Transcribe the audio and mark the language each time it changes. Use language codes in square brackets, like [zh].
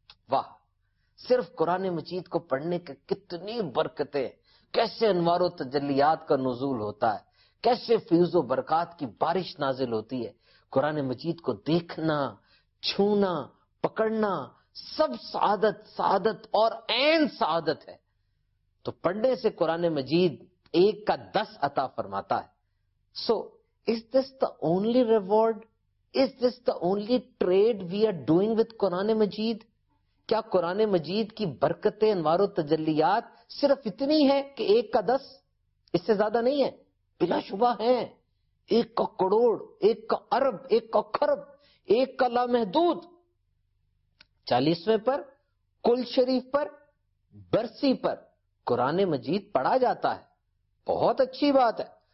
[ur] واہ، صرف قرآن مجید کو پڑھنے کے کتنی برکتیں، کیسے انوار و تجلیات کا نزول ہوتا ہے، کیسے فیوز و برکات کی بارش نازل ہوتی ہے. قرآن مجید کو دیکھنا، چھونا، پکڑنا سب سعادت، سعادت اور عین سعادت ہے. تو پڑھنے سے قرآن مجید 1 کا 10 عطا فرماتا ہے. [en] So Is this the only reward? Is this the only trade we are doing with Quran Majeed? [ur] کیا قرآن مجید کی برکتیں، انوار و تجلیات صرف اتنی ہے کہ 1 کا 10؟ اس سے زیادہ نہیں ہے، بلا شبہ ہے. 1 کا کروڑ، 1 کا ارب، 1 کا خرب، 1 کا لامحدود. 40ویں پر، کل شریف پر، برسی پر قرآن مجید پڑھا جاتا ہے، بہت اچھی بات ہے.